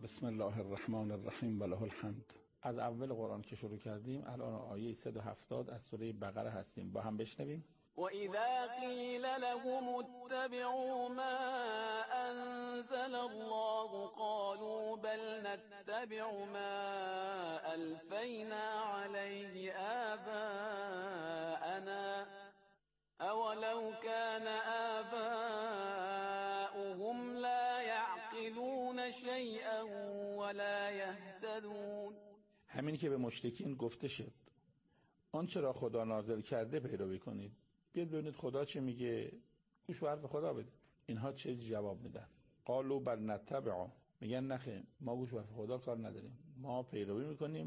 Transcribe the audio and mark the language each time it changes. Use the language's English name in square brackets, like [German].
[Arabic] بسم الله الرحمن الرحیم و له الحمد. [Persian] از اول قرآن که شروع کردیم الان آیه 170 از سوره بقره هستیم، با هم بشنویم. [Arabic] وإذا قيل لهم اتبعوا ما أنزل الله قالوا بل نتبع ما ألفينا عليه آباءنا أولو كان آباؤهم لا يعقلون شيئا ولا يهتدون. [Persian] همین که به مشتکین گفته شد آن چرا خدا نازل کرده پیروی کنید، بیاد ببینید خدا چه میگه، گوش به حرف خدا بدید. اینها چه جواب میدن؟ [Arabic] قالو بل نتبع، [Persian] میگن نخه ما گوش به حرف خدا کار نداریم، ما پیروی میکنیم.